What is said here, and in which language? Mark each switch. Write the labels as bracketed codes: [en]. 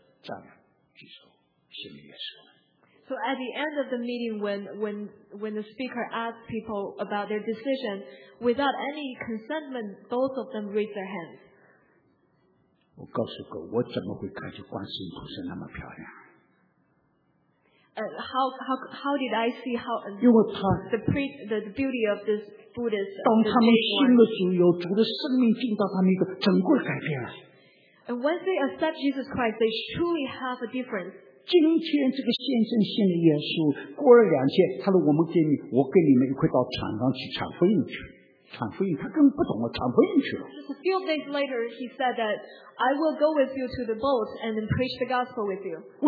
[zh] 妻子举起手来，站了，举手，心里也说。So [en] at the end of the meeting, when the speaker asked people about their decision, without any consentment, both of them raised their hands. [zh] 我告诉各位，我怎么会看见观世音菩萨那么漂亮？ [en] How did I see how [zh] 因为他, [en] the beauty of this Buddhist? [zh] 当他们信了主，有主的生命进到他们一个，整个改变了。 [en] And once they accept Jesus Christ, they truly have a difference. [zh] 今天这个先生信了耶稣，过了两天，他说我们给你，我跟你们一块到船上去传福音去，传福音。他根本不懂我传福音去了。Just [en] a few days later, he said that I will go with you to the boat and then preach the gospel with you.